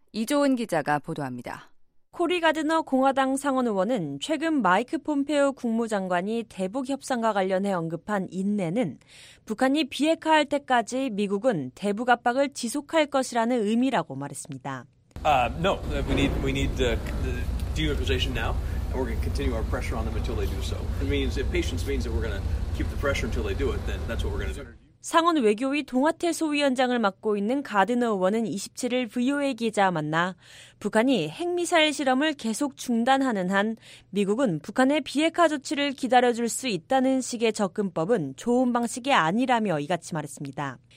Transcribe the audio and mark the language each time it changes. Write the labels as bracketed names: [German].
[Korean] 이조은 기자가 보도합니다. 코리 가드너 공화당 상원 의원은 최근 마이크 폼페오 국무장관이 대북 협상과 관련해 언급한 인내는 북한이 비핵화할 때까지 미국은 대북 압박을 지속할 것이라는 의미라고 말했습니다. [English] No, we need deregulation now, and we're going to continue our pressure on them until they do so. It means if patience means that we're going to keep the pressure until they do it, then that's what we're going to do. [Korean] 상원 외교위 동아태 소위원장을 맡고 있는 가드너 의원은 27일 VOA 기자와 만나 북한이 핵미사일 실험을 계속 중단하는 한 미국은 북한의 비핵화 조치를 기다려줄 수 있다는 식의 접근법은 좋은 방식이 아니라며 이같이 말했습니다.